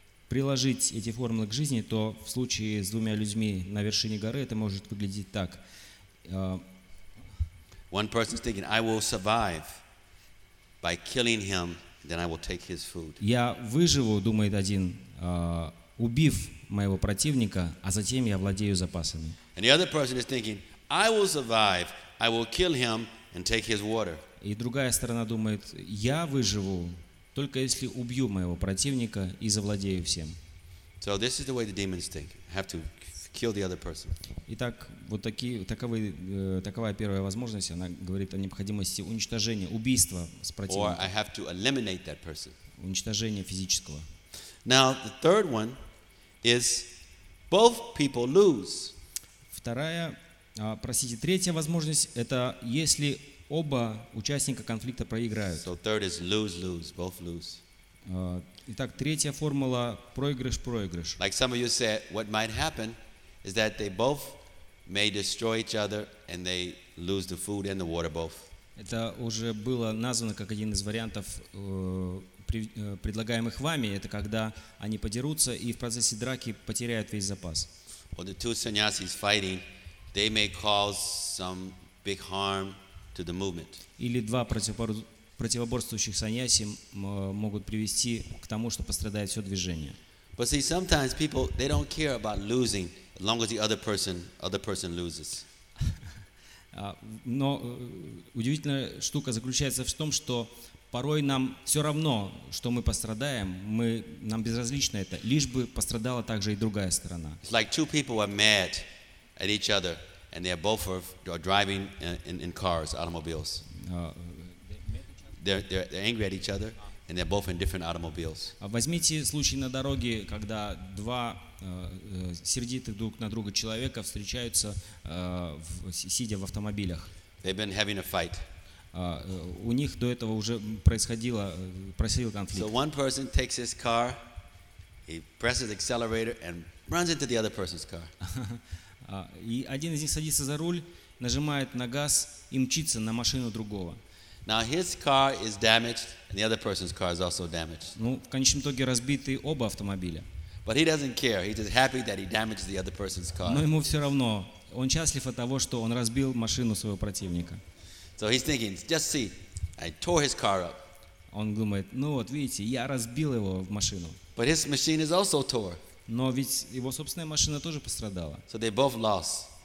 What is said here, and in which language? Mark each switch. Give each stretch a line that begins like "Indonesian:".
Russian: приложить эти формулы к жизни, то в случае с двумя людьми на вершине горы это может выглядеть так.
English: One person's thinking, I will survive by killing him, then I will take his food.
Russian: Я выживу, думает один, убив моего противника, а затем я владею запасами.
English: And the other person is thinking, I will survive, I will kill him and take his water.
Russian: И другая сторона думает, я выживу, только если убью моего противника и завладею всем.
English: So this is the way the demons think. Have to kill the other person.
Russian: Итак, вот такие, такова первая возможность. Она говорит о необходимости уничтожения, убийства с противником.
English: Or I have to eliminate that person.
Russian: Уничтожение физического.
English: Now the third one is both people lose.
Russian: Вторая, третья возможность — это если оба участника конфликта проиграют.
English: So third is lose-lose, both lose.
Russian: Итак, третья формула – проигрыш-проигрыш.
English: Like some of you said, what might happen is that they both may destroy each other and they lose the food and the water both.
Russian: Это уже было названо как один из вариантов, предлагаемых вами. Это когда они подерутся и в процессе драки потеряют весь запас.
English: Or the two sannyasis fighting, they may cause some big harm to the movement.
Russian: Или два противоборствующих саньясим могут привести к тому, что пострадает все движение.
English: But see, sometimes people, they don't care about losing as long as the other person loses.
Russian: Но удивительная штука заключается в том, что порой нам все равно, что мы пострадаем, нам безразлично это, лишь бы пострадала также и другая сторона.
English: It's like two people are mad at each other and they're both are driving in cars, automobiles. They're angry at each other and they're both in different automobiles.
Russian: Возьмите случай на дороге, когда два сердитых друг на друга человека встречаются, сидя в автомобилях.
English: They've been having a fight.
Russian: У них до этого уже происходил конфликт.
English: So one person takes his car, he presses the accelerator and runs into the other person's car.
Russian: И один из них садится за руль, нажимает на газ и мчится на машину другого.
English: Now his car is damaged and the other person's car is also damaged.
Russian: Ну, в конечном итоге разбиты оба автомобиля.
English: But he doesn't care. He's just happy that he damaged the other person's car.
Russian: Но ему все равно. Он счастлив от того, что он разбил машину своего противника.
English: So he's thinking, just see, I tore his car up.
Russian: Он думает, ну вот, видите, я разбил его в машину.
English: But his machine is also tore.
Russian: Но ведь его собственная машина тоже пострадала.
English: So they both lost.